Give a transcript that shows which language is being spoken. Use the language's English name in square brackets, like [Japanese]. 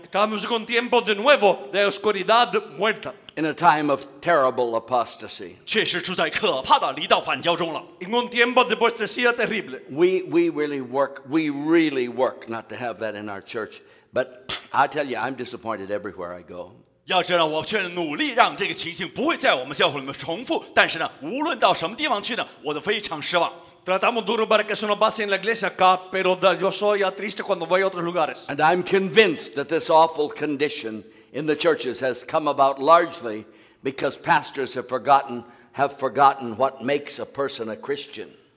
[Spanish] Estamos en un tiempo de nuevo de oscuridad muerta. [English] In a time of terrible apostasy. [Chinese] 确实处在可怕的离道反交中了。 [Spanish] En un tiempo de apostasía terrible. [English] We really work not to have that in our church. But I tell you, I'm disappointed everywhere I go. [Chinese] 要知道我却努力让这个情形不会在我们教会里面重复，但是呢，无论到什么地方去呢，我都非常失望。 [Spanish] Tratamos duro para que eso no pase en la iglesia acá, pero yo soy ya triste cuando voy a otros lugares. [English] And I'm convinced that this awful condition in the churches has come about largely because pastors have forgotten what makes a person a Christian.